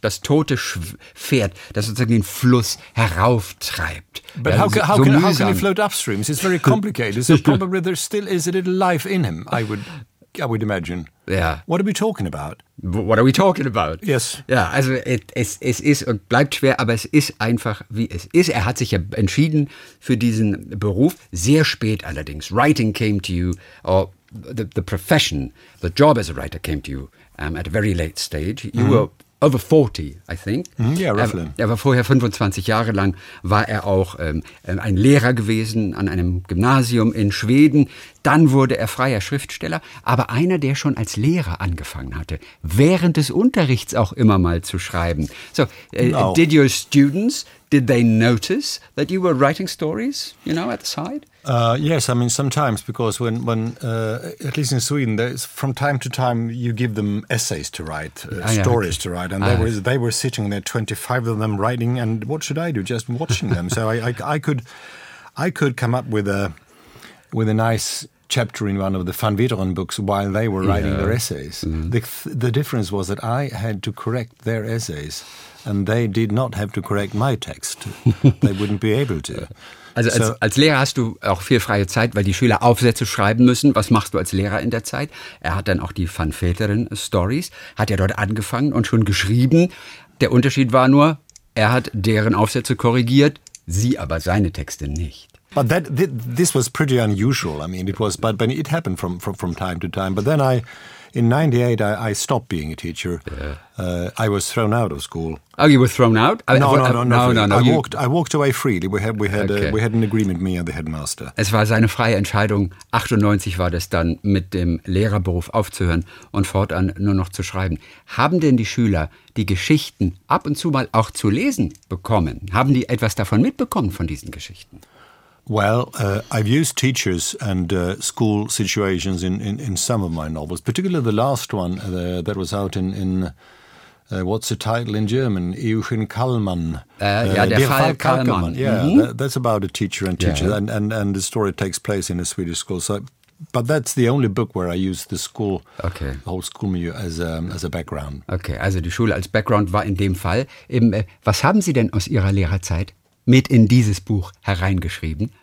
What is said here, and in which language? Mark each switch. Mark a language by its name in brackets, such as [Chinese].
[German] Das tote Pferd, das sozusagen den Fluss herauftreibt. [English] But ja, how can he float upstreams? It's very complicated. So probably there still is a little life in him, I would imagine. Yeah. What are we talking about? What are we talking about? Yes. [German] Ja, also es ist und bleibt schwer, aber es ist einfach, wie es ist. Er hat sich ja entschieden für diesen Beruf, sehr spät allerdings. [English] Writing came to you, or the profession, the job as a writer came to you at a very late stage. You were over 40, I think. Mm-hmm. Yeah, roughly. [German] Er war vorher 25 Jahre lang, war er auch ein Lehrer gewesen an einem Gymnasium in Schweden. Dann wurde er freier Schriftsteller, aber einer, der schon als Lehrer angefangen hatte, während des Unterrichts auch immer mal zu schreiben. [English] So, did your students, did they notice that you were writing stories, you know, at the side? Yes, I mean, sometimes, because at least in Sweden, there's from time to time, you give them essays to write, stories to write, and they were sitting there, 25 of them writing, and what should I do? Just watching them. So I could come up with a nice chapter in one of the Van Veeteren books while they were writing their essays. Mm-hmm. The difference was that I had to correct their essays, and they did not have to correct my text. They wouldn't be able to. [German] Also als Lehrer hast du auch viel freie Zeit, weil die Schüler Aufsätze schreiben müssen. Was machst du als Lehrer in der Zeit? Er hat dann auch die Van Veeteren Stories, hat er dort angefangen und schon geschrieben. Der Unterschied war nur, er hat deren Aufsätze korrigiert, sie aber seine Texte nicht. [English] But this was pretty unusual. I mean, it was, but it happened from time to time. But then in 98, I stopped being a teacher. Yeah. I was thrown out of school. Oh, you were thrown out? No. I walked away freely. We had an agreement, me and the headmaster. [German] Es war seine freie Entscheidung. 98 war das dann, mit dem Lehrerberuf aufzuhören und fortan nur noch zu schreiben. Haben denn die Schüler die Geschichten ab und zu mal auch zu lesen bekommen? Haben die etwas davon mitbekommen, von diesen Geschichten? [English] Well, I've used teachers and school situations in some of my novels, particularly the last one that was out in what's the title in German? Eugen Kallmann. [German] Der Fall Kallmann. [English] Yeah, mm-hmm. That's about a teacher and teachers. Yeah. And the story takes place in a Swedish school. But that's the only book where I use the school, the whole school milieu as a background. [German] Okay, also die Schule als Background war in dem Fall. Was haben Sie denn aus Ihrer Lehrerzeit mit in dieses Buch hereingeschrieben?